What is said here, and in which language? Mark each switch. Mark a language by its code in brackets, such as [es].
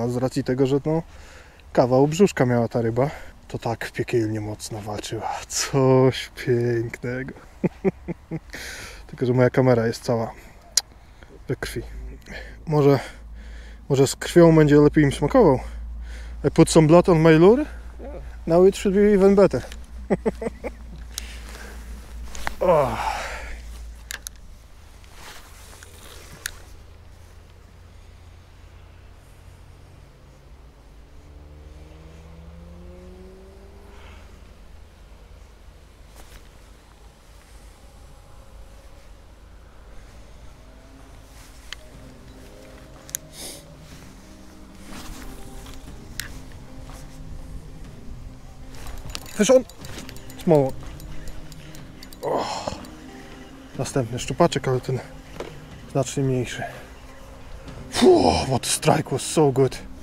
[pl] A z racji tego, że no kawał brzuszka miała ta ryba, to tak piekielnie mocno walczyła. Coś pięknego. Tylko, że moja kamera jest cała we krwi. Może z krwią będzie lepiej im smakował. [en] I put some blood on my lure. Now it should be even better. Oh. [pl] Słyszysz on? Smolok. Oh. Następny szczupaczek, ale ten znacznie mniejszy. [en] Fuh, what a strike was so good.